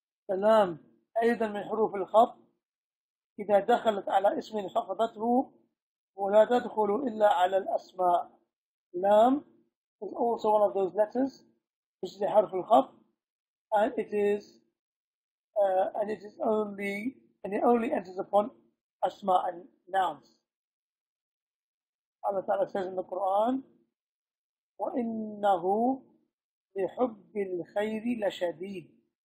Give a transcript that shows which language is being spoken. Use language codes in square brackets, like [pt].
[ar] اللام أيضا من حروف الخفض، إذا دخلت على اسم خفضته ولا تدخل إلا على الأسماء. [en] لام is also one of those letters which is a حرف الخفض and it is only enters upon أسماء and nouns. [ar] الله تعالى [en] says in the Quran [ar] وإنه لحب الخير لشديد.